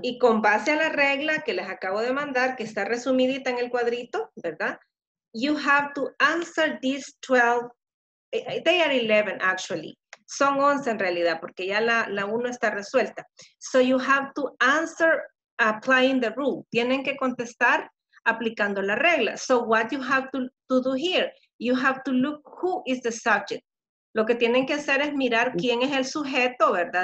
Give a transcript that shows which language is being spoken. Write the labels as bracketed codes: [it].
[es] Y con base a la regla que les acabo de mandar, que está resumidita en el cuadrito, ¿verdad? [en] You have to answer these 12, they are 11 actually. [es] Son 11 en realidad, porque ya la 1 está resuelta. [en] So you have to answer applying the rule. [es] Tienen que contestar aplicando la regla. [en] So what you have to do here, you have to look who is the subject. [es] Lo que tienen que hacer es mirar quién es el sujeto, ¿verdad?